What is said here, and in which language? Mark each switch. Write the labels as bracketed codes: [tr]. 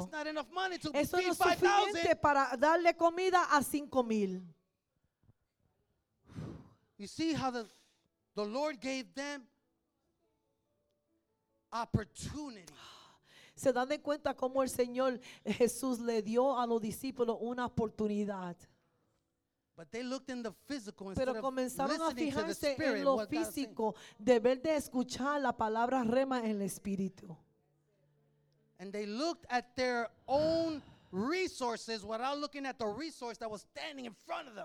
[en] That's not enough money to [es] eso [en] feed [es] no es suficiente para darle comida a 5,000. [en] You see how the Lord gave them opportunity. [es] Se dan de cuenta cómo el Señor Jesús le dio a los discípulos una oportunidad. [en] But they looked in the physical instead. [es] Pero comenzaron [en] of listening [es] a fijarse [en] to the spirit, [es] en lo físico, de ver de escuchar la palabra rema en el espíritu. [en] And they looked at their own resources without looking at the resource that was standing in front of them.